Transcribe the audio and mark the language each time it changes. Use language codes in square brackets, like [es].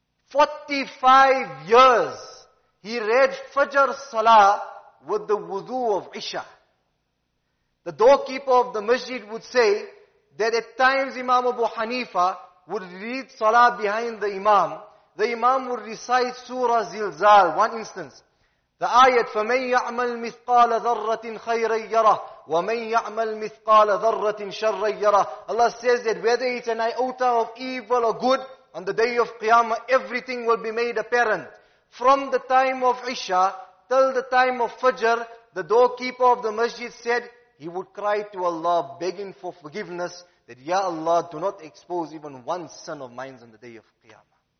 [en] 45 years, he read Fajr Salah with the wudu of Isha. The doorkeeper of the masjid would say that at times Imam Abu Hanifa would read Salah behind the Imam. The Imam would recite Surah Zilzal. One instance, the ayat, [ar] فَمَنْ يَعْمَلْ مِثْقَالَ ذَرَّةٍ خَيْرًا يَرَهُ وَمَنْ يَعْمَلْ مِثْقَالَ ذَرَّةٍ شَرًّا يَرَهُ. [en] Allah says that whether it's an iota of evil or good, on the day of Qiyamah, everything will be made apparent. From the time of Isha till the time of Fajr, the doorkeeper of the masjid said, he would cry to Allah begging for forgiveness, that Ya Allah, do not expose even one son of mine on the day of Qiyamah.